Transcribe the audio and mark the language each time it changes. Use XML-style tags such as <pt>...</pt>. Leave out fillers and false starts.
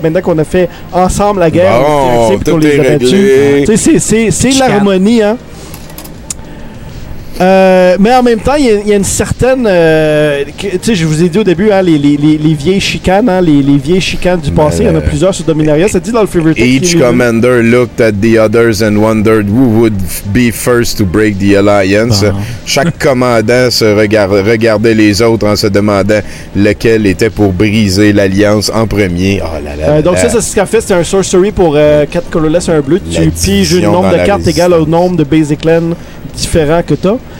<fr>Maintenant qu'on a fait ensemble la guerre, bon, tout les est réglé. Tu sais, c'est l'harmonie, hein. Mais en même temps, il y a une certaine... tu sais, je vous ai dit au début, hein, les vieilles chicanes, hein, les vieilles chicanes du passé, il y en a plusieurs sur Dominaria. Ça dit dans le Fever Tech...</fr> <en>Each commander looked at the others and wondered who would be first to break the alliance.</en> <fr>Bon. Chaque commandant se regardait les autres en se demandant lequel était pour briser l'alliance en premier. Oh là là, donc ça, c'est ce qu'il a fait. C'est un sorcery pour 4 colorless et un bleu. Tu piges le nombre de cartes égal au nombre de basic lands différent que toi.</fr>